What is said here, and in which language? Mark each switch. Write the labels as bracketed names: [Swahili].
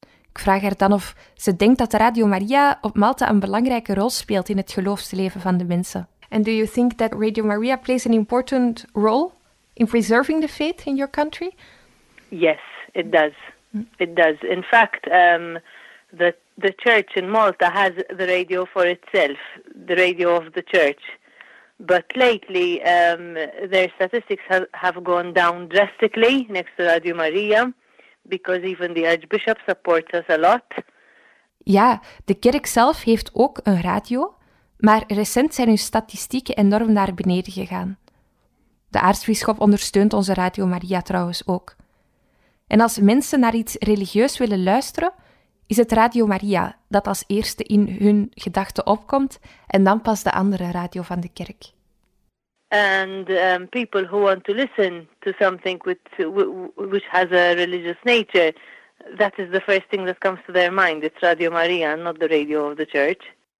[Dutch] Ik vraag haar dan of ze denkt dat Radio Maria op Malta een belangrijke rol speelt in het geloofsleven van de mensen. [English] And do you think that Radio Maria plays an important role in preserving the faith in your country? Yes, it does. It does. In fact, the church in Malta has the radio for itself, the radio of the church. But lately, their statistics have gone down drastically next to Radio Maria, because even the Archbishop supports us a lot. [Dutch] Ja, de kerk zelf heeft ook een radio, maar recent zijn hun statistieken enorm naar beneden gegaan. De aartsbisschop ondersteunt onze Radio Maria trouwens ook. En als mensen naar iets religieus willen luisteren, is het Radio Maria dat als eerste in hun gedachten opkomt en dan pas de andere radio van de kerk. [English] And people who want to listen to something which has a religious nature, that is the first thing that comes to their mind. It's Radio Maria, not the radio of the church.